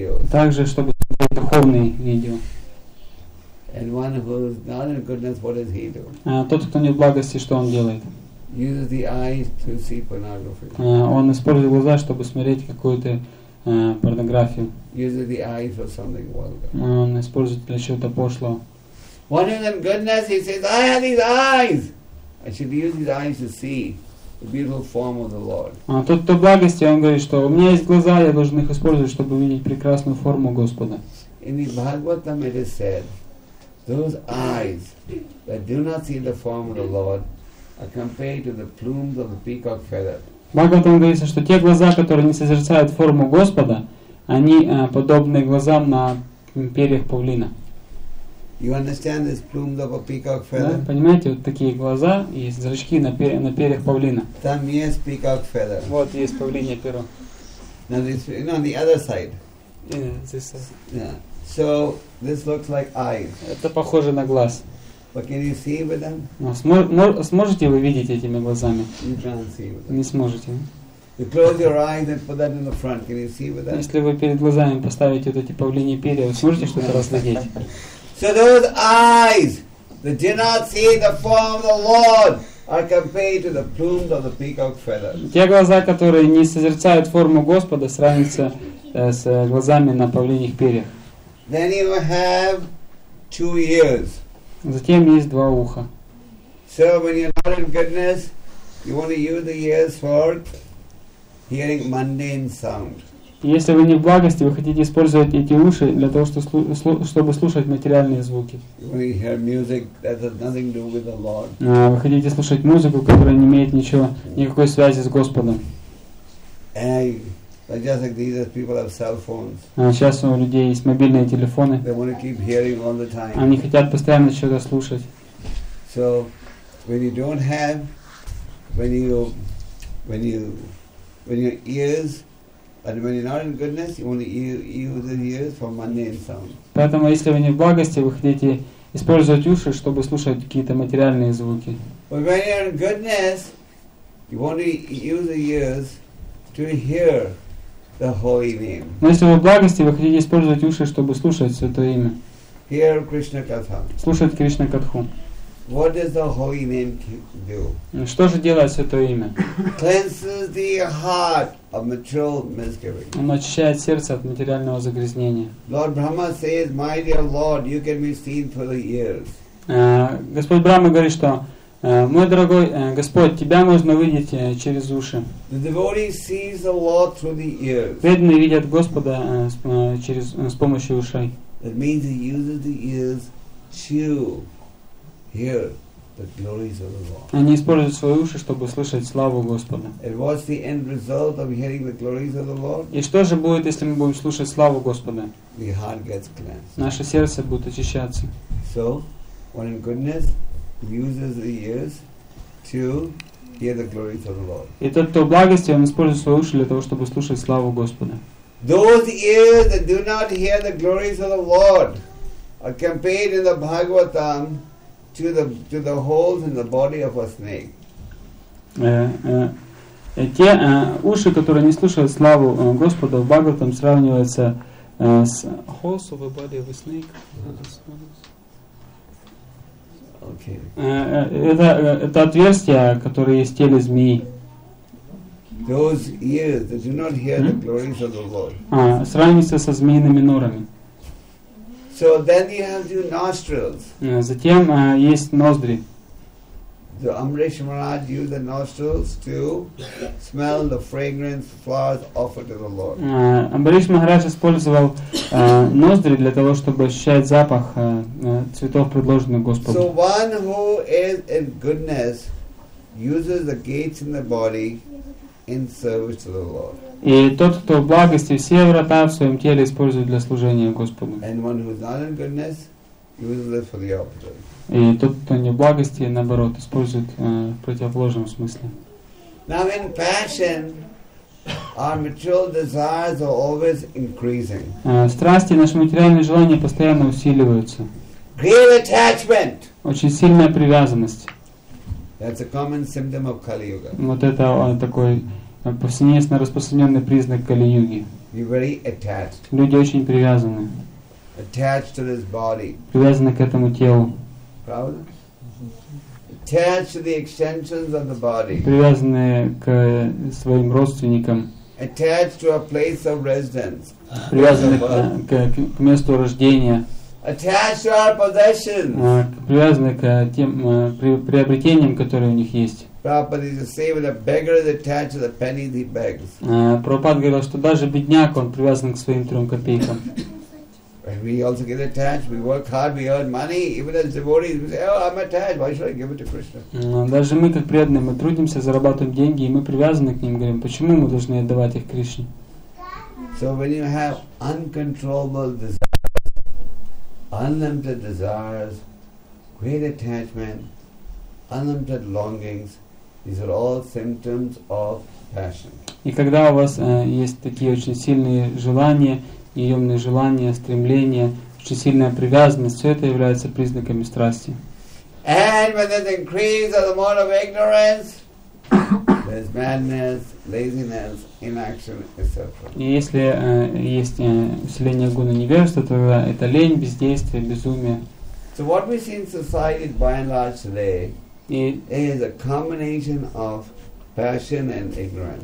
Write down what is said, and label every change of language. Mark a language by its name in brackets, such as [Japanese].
[Russian] Также, чтобы смотреть духовные видео. [English] And one who is not in goodness, what does he do? [Russian] Тот, кто не в благости, что он делает? [English] Uses the eyes to see pornography. [Russian] Он использует глаза, чтобы смотреть какую-то порнографию. [English] Uses the eyes for something vulgar. [Russian] Он использует для чего-то пошлого. [English] One is in goodness, he says, I have these eyes. I should use these eyes to see the beautiful form of the Lord. [Russian] Тот, кто в благости, он говорит, что у меня есть глаза, я должен их использовать, чтобы видеть прекрасную форму Господа. [English] in the Bhagavatam it is said, those eyes that do not see the form of the Lord are compared to the plumes of the peacock feather. [Russian] Бхагаватам говорится, что те глаза, которые не созерцают форму Господа, они подобны глазам на перьях павлина. [English] You understand this plumes of a peacock feather? [Russian] Да, понимаете, вот такие глаза и зрачки на перьях павлина. Там есть [English] peacock feather. [Russian] Вот есть павлинье перо. [English] Now this, you know, on the other side. Yeah, this side. Yeah. So this looks like eyes. [Russian] Это похоже на глаз. [English] But can you see with them? [Russian] Но сможете вы видеть этими глазами? Не сможете. [English] You close your eyes and put that in the front. Can you see with that? [Russian] Если вы перед глазами поставите вот эти павлиньи перья, вы сможете что-то разглядеть? [English] So those eyes that do not see the form of the Lord are compared to the plumes of the peacock feathers. [Russian] Те глаза, которые не созерцают форму Господа, сравнятся с глазами на павлиньих перьях. [English] Then you have two ears. [Russian] Затем есть два уха. [English] So when you're not in goodness, you want to use the ears for hearing mundane sound. [Russian] Если вы не в благости, вы хотите использовать эти уши для того, чтобы слушать материальные звуки. [English] We hear music that has nothing to do with the Lord. [Russian] Вы хотите слушать музыку, которая не имеет ничего, никакой связи с Господом. [English] Hey, but just like these people have cell phones. [Russian] Сейчас у людей есть мобильные телефоны. [English] They want to keep hearing all the time. [Russian] Они хотят постоянно что-то слушать. [English] So when you don't have, when your ears, and when you're not in goodness, you want to use the ears for mundane sound. [Russian] Поэтому, если вы не в благости, вы хотите использовать уши, чтобы слушать какие-то материальные звуки. [English] But when you're in goodness, you want to use the ears to hear the holy name. [Russian] Но если вы в благости, вы хотите использовать уши, чтобы слушать святое имя. [English] Hear Krishna Katha. [Russian] Слушать Кришна Катху. [English] What does the holy name do? [Russian] Что же делает святое имя? [English] Cleanses the heart of material misgiving. [Russian] Он очищает сердце от материального загрязнения. [English] Lord Brahma says, "My dear Lord, you can be seen for the ears." [Russian] Господь Брахма говорит, что мой дорогой Господь, тебя можно увидеть через уши. [English] The devotee sees the Lord through the ears. [Russian] Преданные видят Господа через с помощью ушей. [English] That means he uses the ears to hear the glories of the Lord. [Russian] Они используют свои уши, чтобы слышать славу Господа. [English] And what's the end result of hearing the glories of the Lord? [Russian] И что же будет, если мы будем слушать славу Господа? [English] The heart gets cleansed. [Russian] Наше сердце будет очищаться. [English] So, one in goodness uses the ears to hear the glories of the Lord. [Russian] И тот, кто в благости, он использует свои уши для того, чтобы слушать славу Господа. [English] Those ears that do not hear the glories of the Lord are compared in the Bhagavatam to the holes in the body of a snake. [Russian] Те уши, которые не слушают славу Господа в Бхагаватам, сравниваются с [English] holes of the body of a snake. Okay. [Russian] Это отверстия, которые есть в теле змеи. [English] Those ears that do not hear the glories of the Lord. [Russian] Сравнится со змеиными норами. [English] So then you have two nostrils. [Russian] Затем есть ноздри. [English] The Amrish Maharaj used the nostrils to smell the fragrance flowers offered to the Lord. [Russian] Амриш Махарадж использовал ноздри для того, чтобы ощущать запах цветов, предложенных Господу. [English] So one who is in goodness uses the gates in the body in service to the Lord. [Russian] И тот, кто в благости, все врата в своем теле использует для служения Господу. [English] And one who is not in goodness uses it for the opposite. [Russian] И тот, кто не в благости, наоборот, использует в противоположном смысле. [English] Now in passion, our material desires are always increasing. [Russian] Страсти, наши материальные желания постоянно усиливаются. [English] Great attachment. [Russian] Очень сильная привязанность. [English] That's a common symptom of Kali Yuga. [Russian] Вот это такой повсеместно распространенный признак Кали-Юги. [English] You're very attached. [Russian] Люди очень привязаны. [English] Attached to this body. [Russian] Привязаны к этому телу. [English] Attached to the extensions of the body. [Russian] Привязанные к своим родственникам. [English] Attached to a place of residence. [Russian] Привязаны к месту рождения. [English] Attached to our possessions. [Russian] Привязаны к тем приобретениям, которые у них есть. [English] Prabhupada used to say, when a beggar is attached to the pennies he begs. [Russian] Прабхупада говорил, что даже бедняк он привязан к своим трем копейкам. [English] When we also get attached, we work hard, we earn money, even as devotees, we say, oh, I'm attached, why should I give it to Krishna? [Russian] Даже мы, как преданные, мы трудимся, зарабатываем деньги, и мы привязаны к ним, говорим, почему мы должны отдавать их Кришне? [English] So when you have uncontrollable desires, unlimited desires, great attachment, unlimited longings, these are all symptoms of passion. [Russian] И когда у вас есть такие очень сильные желания, неуемные желания, стремления, очень сильная привязанность, все это является признаками страсти. [English] And when there's increase of the mode of ignorance, there's madness, laziness, inaction, etc. [Russian] И если есть усиление гуны невежества, то это лень, бездействие, безумие. [English] So what we see in society by and large today is a combination of passion and ignorance.